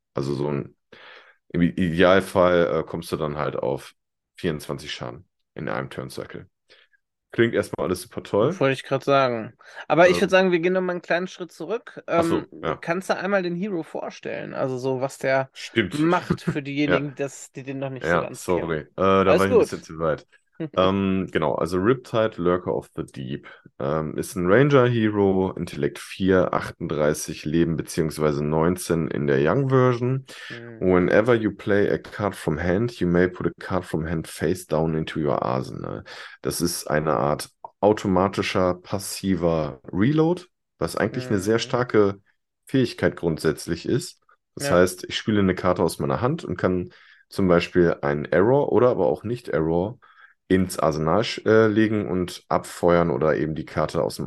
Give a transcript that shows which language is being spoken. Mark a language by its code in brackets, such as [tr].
[de] Also so ein im Idealfall kommst du dann halt auf 24 Schaden in einem Turn-Cycle. Klingt erstmal alles super toll. Wollte ich gerade sagen. Aber ich würde sagen, wir gehen nochmal einen kleinen Schritt zurück. Ach so, ja. Kannst du einmal den Hero vorstellen? Also so, was der macht Stimmt. für Ja. diejenigen, die den noch nicht so Ja, ganz kennen. sorry. Da war Alles ich ein bisschen gut. zu weit. Genau, also Riptide, Lurker of the Deep. Ist ein Ranger-Hero, Intellekt 4, 38 Leben bzw. 19 in der Young-Version. [en] Whenever you play a card from hand, you may put a card from hand face down into your arsenal. [de] Das ist eine Art automatischer, passiver Reload, was eigentlich eine sehr starke Fähigkeit grundsätzlich ist. Das Ja. heißt, ich spiele eine Karte aus meiner Hand und kann zum Beispiel einen Error oder aber auch nicht Error ins Arsenal legen und abfeuern oder eben die Karte aus dem